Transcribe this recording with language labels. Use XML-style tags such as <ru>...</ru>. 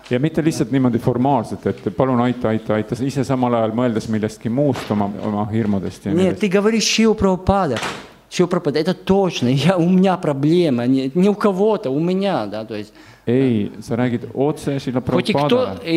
<et>Ja mitte lihtsalt niimoodi formaalselt, et palun aita, ise samal ajal mõeldes millestki muust oma hirmudest. Ja nee,</et> <ru>ты говоришь, Шива Прабхупада, это точно, у меня проблема, не у кого-то, у меня, да, то есть...</ru> <et>Ei, sa räägid otse Шива Прабхупада.</et>